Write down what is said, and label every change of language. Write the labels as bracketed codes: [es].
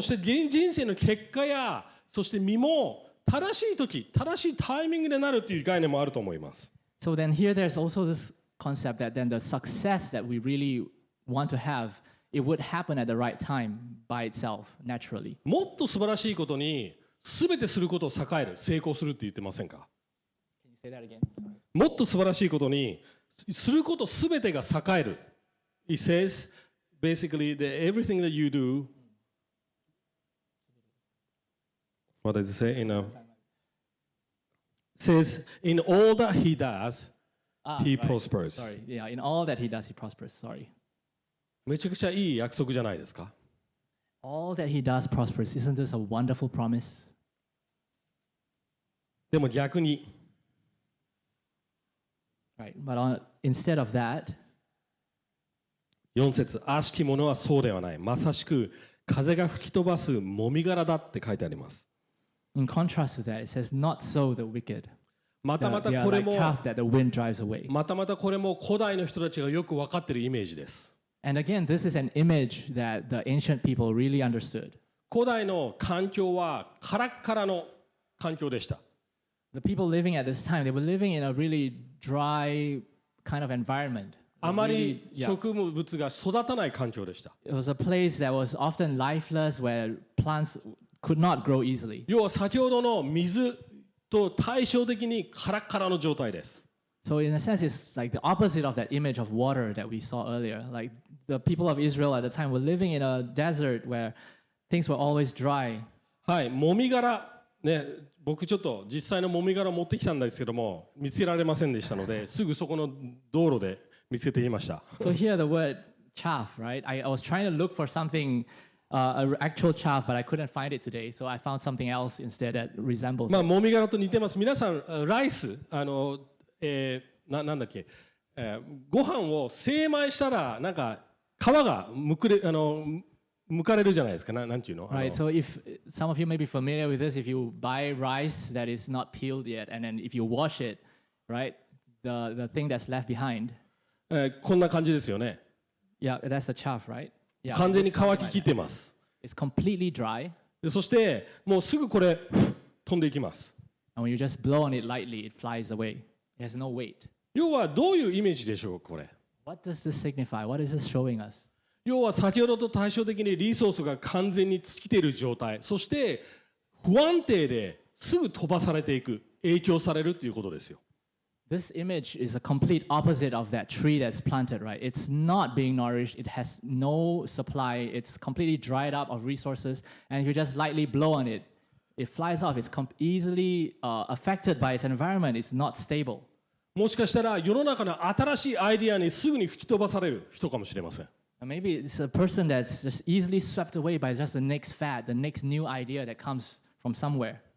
[ja] そして人生の結果や、そして実も正しい時、正しいタイミングでなるという概念もあると思います。 [en] So then here there's also this concept that then the success that we really want to have, it would happen at the right time by itself, naturally. [ja] もっと素晴らしいことに、すべてすることを栄える、成功するって言ってませんか？ [en] Say that again. [ja] もっと素晴らしいことにすることすべてが栄える。 [en] He says basically that everything that you do, what does it say? In a says in all that he does, he prospers. Sorry, yeah, in all that he does, he prospers. Sorry. [ja] めちゃくちゃいい約束じゃないですか [en] ？All that he does prospers. Isn't this a wonderful promise? [ja] でも逆に。 [en] Right. But instead of that, [ja] 4節、悪しき者はそうではない。まさしく風が吹き飛ばすもみ殻だって書いてあります。 [en] In contrast with that, it says, not so the wicked. [ja] またまたこれも、 [en] they are like chaff that the wind drives away. [ja] またまたこれも古代の人たちがよく分かってるイメージです。 [en] And again, this is an image that the ancient people really understood. [ja] 古代の環境はカラッカラの環境でした。 [en] The people living at this time, they were living in a really dry kind of environment. [ja] あまり植物が育たない環境でした。 [en] It was a place that was often lifeless where plants could not grow easily. [ja] 要は先ほどの水と対照的にカラッカラの状態です。 [en] So in a sense, it's like the opposite of that image of water that we saw earlier. Like the people of Israel at the time were living in a desert where things were always dry. [ja] はい、もみ殻。ね、僕ちょっと実際のもみ殻を持ってきたんですけども見つけられませんでしたのですぐそこの道路で見つけてきました。 [en] So here the word chaff, right? I was trying to look for something, an actual chaff, but I couldn't find it today. So I found something else instead that resembles it. [ja] まあもみ殻と似てます。皆さん、ライス、なんだっけ、ご飯を精米したらなんか皮がむくれ、あの、むかれるじゃないですか。なんていうの？ [en] Right, so if some of you may be familiar with this, if you buy rice that is not peeled yet, and then if you wash it, right, the thing that's left behind. [ja] こんな感じですよね。 [en] Yeah, that's the chaff, right? [ja] Yeah, 完全に乾ききってます。 [en] It's completely dry. [ja] そしてもうすぐこれ飛んでいきます。 [en] And when you just blow on it lightly, it flies away. It has no weight. [ja] 要はどういうイメージでしょうこれ。 [en] What does this signify? What is this showing us? [ja] 要は先ほどと対照的にリソースが完全に尽きている状態、そして不安定ですぐ飛ばされていく、影響されるということですよ。 [en] This image is a complete opposite of that tree that's planted, right? It's not being nourished, it has no supply, it's completely dried up of resources, and if you just lightly blow on it, it flies off. It's easily affected by its environment, it's not stable. [ja] もしかしたら世の中の新しいアイデアにすぐに吹き飛ばされる人かもしれません。 [en] Maybe it's a person that's just easily swept away by just the next fad, the next new idea that comes from somewhere.